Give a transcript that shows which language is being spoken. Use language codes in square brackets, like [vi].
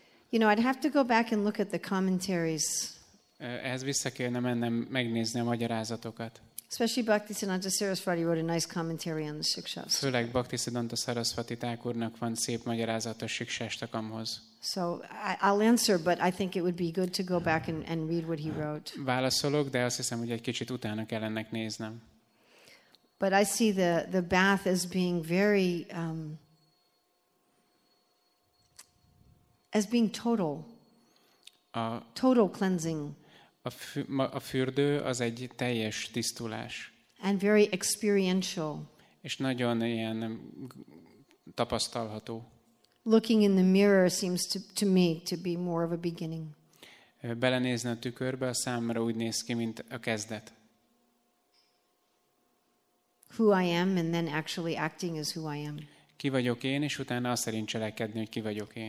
[en] You know, I'd have to go back and look at the commentaries. [hu] Ehhez vissza kellene mennem megnézni a magyarázatokat. [en] Especially Bhaktisiddhanta Sarasvati wrote a nice commentary on the Shikshastra. [hu] Főleg Bhaktisiddhanta Sarasvati Thakurnak van szép magyarázat a Shikshastakamhoz. [en] So I'll answer, but I think it would be good to go back and read what he wrote. [hu] Válaszolok, de azt hiszem, hogy egy kicsit utána kell ennek néznem. [en] But I see the bath as being very as being total. A total cleansing. [hu] A fürdő az egy teljes tisztulás. [en] And very experiential. [hu] És nagyon ilyen tapasztalható. [en] Looking in the mirror seems to me to be more of a beginning. [hu] Belenézni a tükörbe a számra úgy néz ki, mint a kezdet. [en] Who I am and then actually acting as who I am. [hu] Ki vagyok én, és utána azt szerint cselekedni, hogy ki vagyok én.